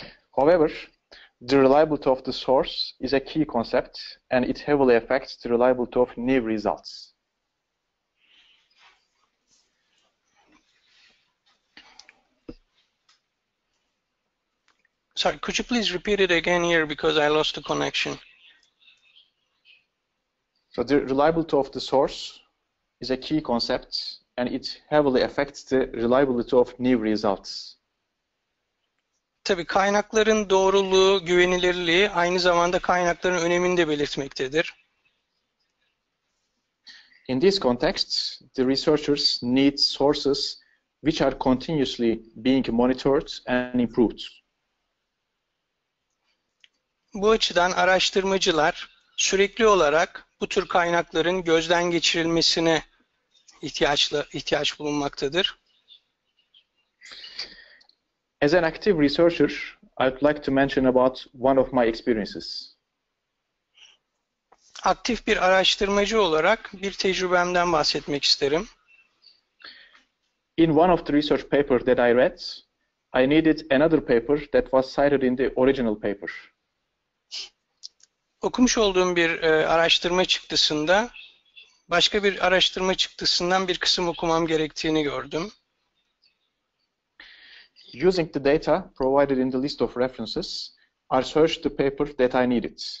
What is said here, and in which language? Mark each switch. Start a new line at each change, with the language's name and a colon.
English: However, the reliability of the source is a key concept and it heavily affects the reliability of new results. Sorry, could you please repeat it again here because I lost the connection. So the reliability of the source is a key concept and it heavily affects the reliability of new results.
Turkish: Tabii kaynakların doğruluğu, güvenilirliği aynı zamanda kaynakların önemini de belirtmektedir.
English: In this context, the researchers need sources which are continuously being monitored and improved.
Turkish: Bu açıdan araştırmacılar sürekli olarak bu tür kaynakların gözden geçirilmesine ihtiyaç bulunmaktadır.
English: As an active researcher, I'd like to mention about one of my experiences.
Turkish: Aktif bir araştırmacı olarak bir tecrübemden bahsetmek isterim.
English: In one of the research papers that I read, I needed another paper that was cited in the original paper.
Turkish: Okumuş olduğum bir araştırma çıktısında başka bir araştırma çıktısından bir kısım okumam gerektiğini gördüm.
English: Using the data provided in the list of references, I searched the paper that I needed.